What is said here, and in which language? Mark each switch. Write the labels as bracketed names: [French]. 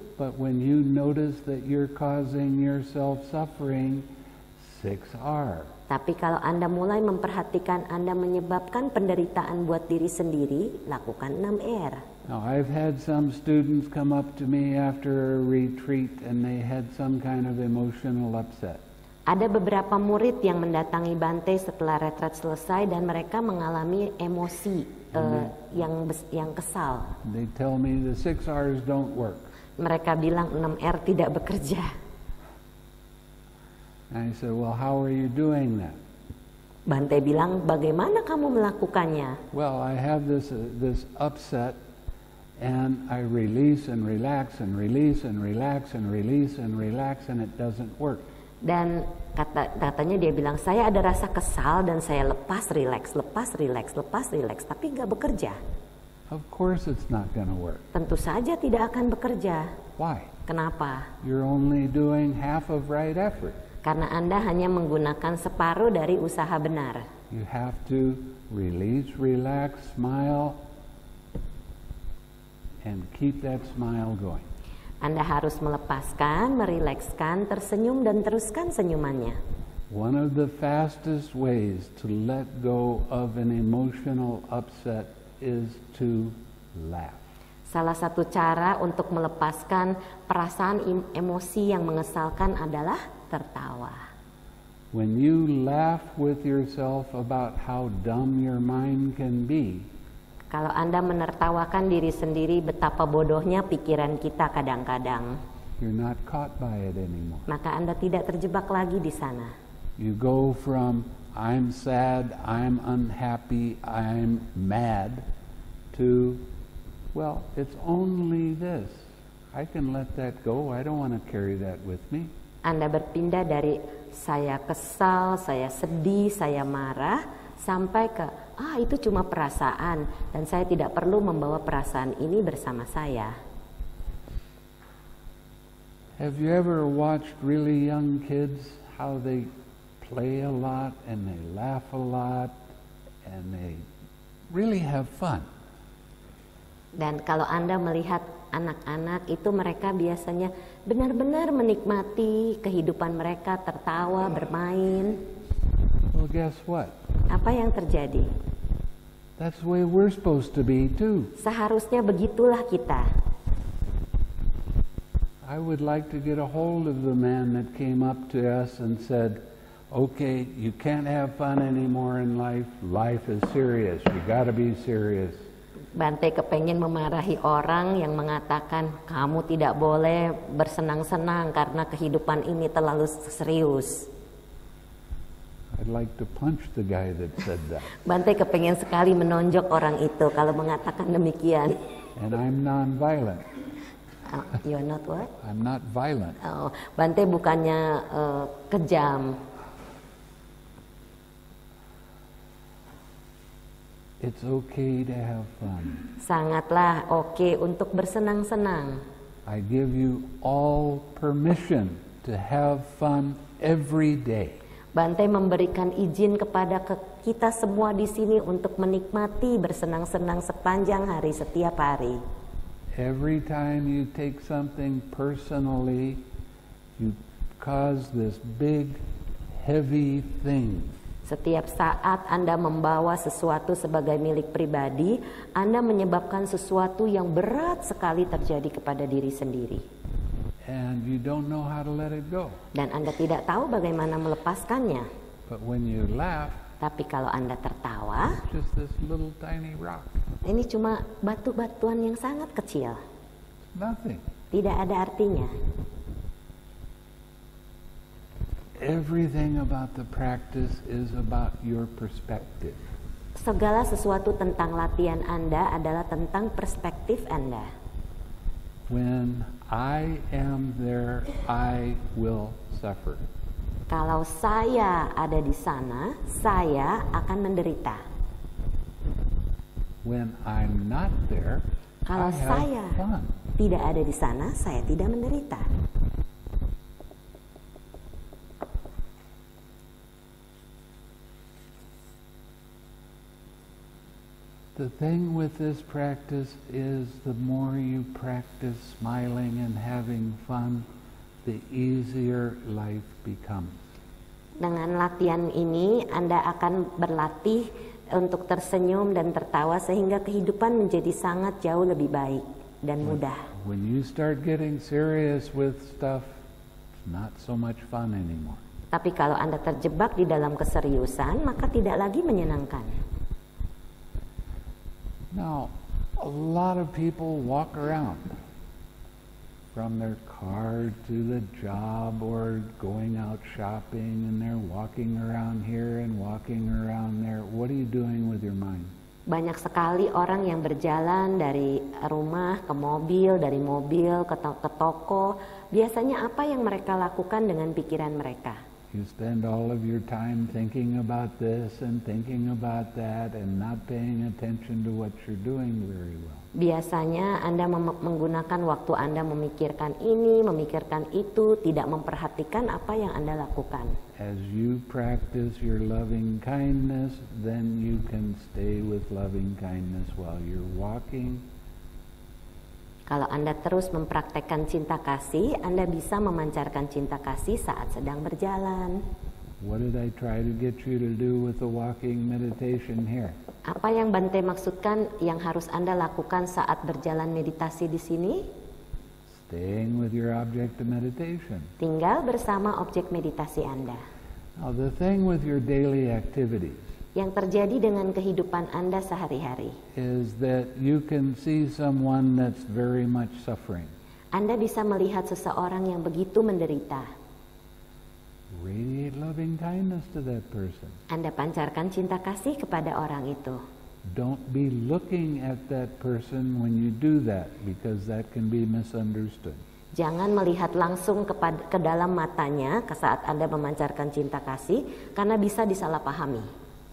[English] But when you notice that you're causing yourself suffering, 6R. [Indonesian] Tapi kalau Anda mulai memperhatikan Anda menyebabkan penderitaan buat diri sendiri, lakukan 6R. [English] Now, I've had some students come up to me after a retreat and they had some kind of emotional upset. [Indonesian] Ada beberapa murid yang mendatangi Bante setelah retret selesai dan mereka mengalami emosi yang kesal. [English] They tell me the 6Rs don't work. [Indonesian] Mereka bilang 6R tidak bekerja. [English] And I said, well, how are you doing that? [Indonesian] Bante bilang, bagaimana kamu melakukannya? [English] Well, I have this upset and I release and relax and release and relax and release and relax and it doesn't work. [Indonesian] Dan katanya dia bilang, saya ada rasa kesal dan saya lepas, relax, lepas, relax, lepas, relax, tapi enggak bekerja. [English] Of course it's not gonna work. [Indonesian] Tentu saja tidak akan bekerja. [English] Why? [Indonesian] Kenapa? [English] You're only doing half of right effort. [Indonesian] Karena Anda hanya menggunakan separuh dari usaha benar. [English] You have to release, relax, smile, and keep that smile going. [Indonesian] Anda harus melepaskan, merilekskan, tersenyum, dan teruskan senyumannya. [English] One of the fastest ways to let go of an emotional upset is to laugh. [Indonesian] Salah satu cara untuk melepaskan perasaan emosi yang mengesalkan adalah tertawa. [English] When you laugh with yourself about how dumb your mind can be, [Indonesian] kalau Anda menertawakan diri sendiri betapa bodohnya pikiran kita kadang-kadang, [English] you're not caught by it anymore. [Indonesian] Maka Anda tidak terjebak lagi di sana. [English] You go from I'm sad, I'm unhappy, I'm mad to, well, it's only this. I can let that go. I don't want to carry that with me. [Indonesian] Anda berpindah dari saya kesal, saya sedih, saya marah, sampai ke, ah, itu cuma perasaan dan saya tidak perlu membawa perasaan ini bersama saya. [English] Have you ever watched really young kids, how they play a lot and they laugh a lot and they really have fun? [Indonesian] Dan kalau Anda melihat anak-anak itu, mereka biasanya benar-benar menikmati kehidupan mereka, tertawa, bermain. [English] Well, guess what? [Indonesian] Apa yang terjadi? [English] That's the way we're supposed to be too. [Indonesian] Seharusnya begitulah kita. [English] I would like to get a hold of the man that came up to us and said, okay, you can't have fun anymore in life. Life is serious. You got to be serious. [Indonesian] Bante kepengen memarahi orang yang mengatakan, kamu tidak boleh bersenang-senang karena kehidupan ini terlalu serius. [English] I'd like to punch the guy that said that. [Indonesian] Bante kepengen sekali menonjok orang itu kalau mengatakan demikian. [English] And I'm non-violent. You're not what? I'm not violent. [Indonesian] Oh, Bante bukannya kejam. [English] It's okay to have fun. [Indonesian] Sangatlah okay untuk bersenang-senang. [English] I give you all permission to have fun every day. [Indonesian] Bante memberikan izin kepada kita semua di sini untuk menikmati bersenang-senang sepanjang hari, setiap hari. [English] Every time you take something personally, you cause this big, heavy thing. [Indonesian] Setiap saat Anda membawa sesuatu sebagai milik pribadi, Anda menyebabkan sesuatu yang berat sekali terjadi kepada diri sendiri. [English] And you don't know how to let it go. [Indonesian] Dan Anda tidak tahu bagaimana melepaskannya. [English] But when you laugh, [Indonesian] tapi kalau Anda tertawa, [English] it's just this little tiny rock. [Indonesian] Ini cuma batu-batuan yang sangat kecil. [English] Nothing. [Indonesian] Tidak ada artinya. [English] Everything about the practice is about your perspective. [Indonesian] Segala sesuatu tentang latihan Anda adalah tentang perspektif Anda. [English] When I am there, I will suffer. [Indonesian] Kalau saya ada di sana, saya akan menderita. [English] When I'm not there, [Indonesian] kalau [English] I [Indonesian] saya [English] have fun. [Indonesian] Tidak ada di sana, saya tidak menderita. [English] the thing with this practice is the more you practice smiling and having fun, the easier life becomes. [Indonesian] Dengan latihan ini, Anda akan berlatih untuk tersenyum dan tertawa sehingga kehidupan menjadi sangat jauh lebih baik dan mudah. [English] When you start getting serious with stuff, it's not so much fun anymore. [Indonesian] Tapi kalau Anda terjebak di dalam keseriusan, maka tidak lagi menyenangkan. [English] Now, a lot of people walk around from their car to the job or going out shopping, and they're walking around here and walking around there. What are you doing with your mind? [Indonesian] Banyak sekali orang yang berjalan dari rumah ke mobil, dari mobil ke toko. Biasanya apa yang mereka lakukan dengan pikiran mereka? [English] You spend all of your time thinking about this and thinking about that and not paying attention to what you're doing very well. [Indonesian] Biasanya Anda menggunakan waktu Anda memikirkan ini, memikirkan itu, tidak memperhatikan apa yang Anda lakukan. [English] As you practice your loving kindness, then you can stay with loving kindness while you're walking. [Indonesian] Kalau Anda terus mempraktikkan cinta kasih, Anda bisa memancarkan cinta kasih saat sedang berjalan. [English] What did I try to get you to do with the walking meditation here? [Indonesian] Apa yang Bante maksudkan yang harus Anda lakukan saat berjalan meditasi di sini? [English] Staying with your object of meditation. [Indonesian] Tinggal bersama objek meditasi Anda. [English] Now, the thing with your daily activities. [Indonesian] Yang terjadi dengan kehidupan Anda sehari-hari. [English] Is that you can see someone that's very much suffering. [Indonesian] Anda bisa melihat seseorang yang begitu menderita. [English] Radiate loving kindness to that person. [Indonesian] Anda pancarkan cinta kasih kepada orang itu. [English] Don't be looking at that person when you do that, because that can be misunderstood. [Indonesian] Jangan melihat langsung ke dalam matanya saat Anda memancarkan cinta kasih, karena bisa disalahpahami.